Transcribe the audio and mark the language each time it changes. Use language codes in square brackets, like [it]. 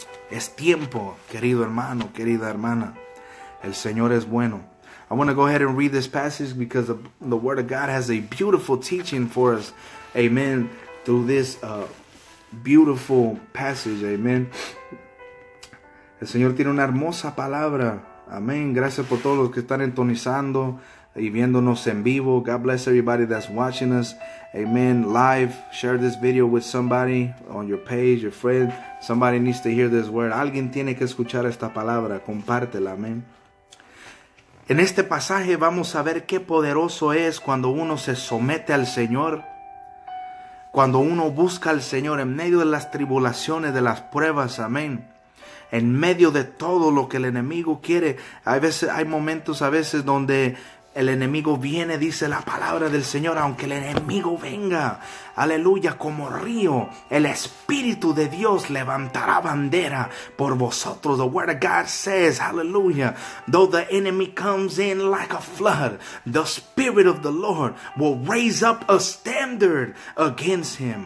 [es] Es tiempo, querido hermano, querida hermana. El Señor es bueno. [en] I want to go ahead and read this passage because the word of God has a beautiful teaching for us, amen, through this beautiful passage, amen. [es] El Señor tiene una hermosa palabra, amen. Gracias por todos los que están entonizando y viéndonos en vivo. [en] God bless everybody that's watching us, amen. Live, share this video with somebody on your page, your friend. Somebody needs to hear this word. [es] Alguien tiene que escuchar esta palabra. Compártela, amen. En este pasaje vamos a ver qué poderoso es cuando uno se somete al Señor. Cuando uno busca al Señor en medio de las tribulaciones, de las pruebas, amén. En medio de todo lo que el enemigo quiere. Hay momentos donde el enemigo viene, dice la palabra del Señor. Aunque el enemigo venga, aleluya, como río, el Espíritu de Dios levantará bandera por vosotros. [en] The word of God says, hallelujah, though the enemy comes in like a flood, the Spirit of the Lord will raise up a standard against him.